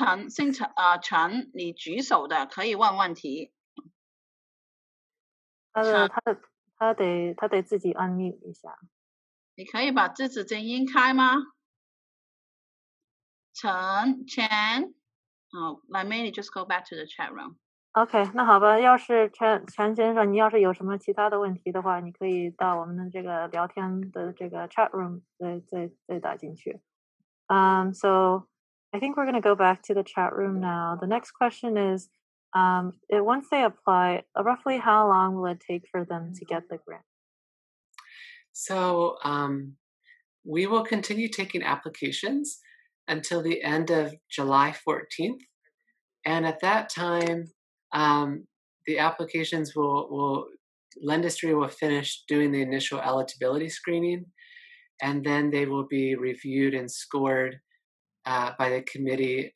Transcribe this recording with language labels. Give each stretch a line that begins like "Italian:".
Chinese: Chan，陈先生，现在陈，姓陈，陈，你举手的可以问问题。他得自己 unmute 一下。你可以把自己声音开吗？陈，Chan，
English: Let me just go back to the chat room.
Chinese: Okay, 那好吧，要是 陈先生，你要是有什么其他的问题的话，你可以到我们的这个聊天的这个 chat room 再打进去。
English: So I think we're going to go back to the chat room now. The next question is, once they apply, roughly how long will it take for them to get the grant? So we will continue taking applications until the end of July 14th. And at that time, the applications will Lend Industry will finish doing the initial eligibility screening, and then they will be reviewed and scored by the committee.